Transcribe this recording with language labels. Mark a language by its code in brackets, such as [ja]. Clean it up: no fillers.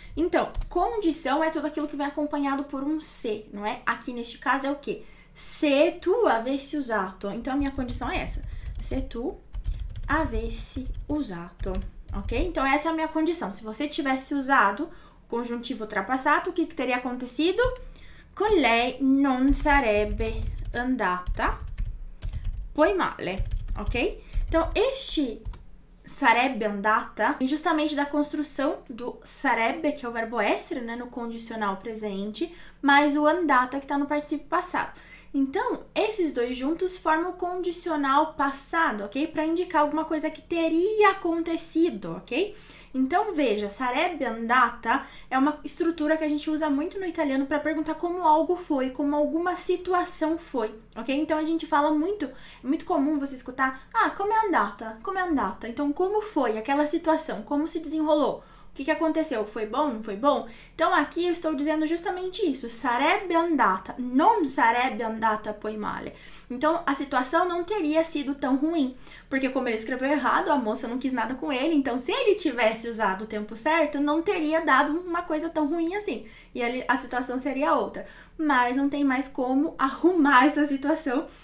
[pt] Então, condição é tudo aquilo que vem acompanhado por um se, não é? Aqui neste caso é o quê? [it] Se tu avesse usato. [pt] Então, a minha condição é essa. [it] Se tu avesse usato. [pt] Ok? Então, essa é a minha condição. Se você tivesse usado o conjuntivo ultrapassato, o que que teria acontecido? [it] Con lei non sarebbe andata poi male. [pt] Ok? Então, este sarebbe andata vem justamente da construção do sarebbe, que é o verbo essere, né, no condicional presente, mais o andata, que está no participio passado. Então, esses dois juntos formam o condicional passado, ok? Para indicar alguma coisa que teria acontecido, ok? Então, veja, sarebbe andata é uma estrutura que a gente usa muito no italiano para perguntar como algo foi, como alguma situação foi, ok? Então, a gente fala muito, é muito comum você escutar, ah, como é andata? Como é andata? Então, como foi aquela situação? Como se desenrolou? O que que aconteceu? Foi bom? Não foi bom? Então, aqui eu estou dizendo justamente isso. [it] Sarebbe andata, non sarebbe andata poi male. [pt] Então, a situação não teria sido tão ruim, porque como ele escreveu errado, a moça não quis nada com ele. Então, se ele tivesse usado o tempo certo, não teria dado uma coisa tão ruim assim. E ali, a situação seria outra. Mas não tem mais como arrumar essa situação.